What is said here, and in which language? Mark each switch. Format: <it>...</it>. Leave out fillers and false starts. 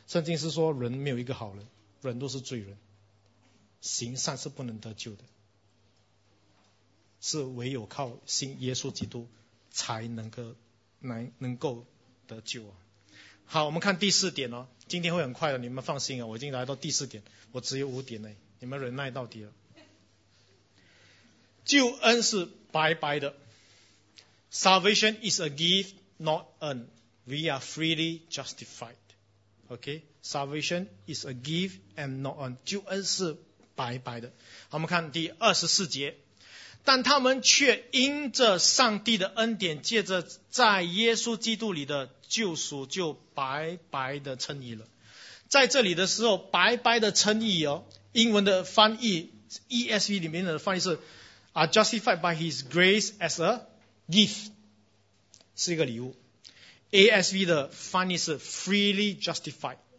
<zh>圣经是说人没有一个好人，人都是罪人，行善是不能得救的，是唯有靠信耶稣基督才能够得救啊。好，我们看第四点哦，今天会很快的，你们放心啊，我已经来到第四点，我只有五点了，你们忍耐到底了。救恩是白白的，</zh> <en>Salvation is a gift not earned, we are freely justified, OK, Salvation is a gift and not earned, 救恩是白白的。</en> <zh>好，我们看第24节，但他们却因着上帝的恩典，借着在耶稣基督里的救赎，就白白的称义了。在这里的时候，白白的称义哦，英文的翻译 ESV 里面的翻译是</zh> <en>are justified by His grace as a gift,</en> <zh>是一个礼物。ASV 的翻译是</zh> <en>freely justified,</en>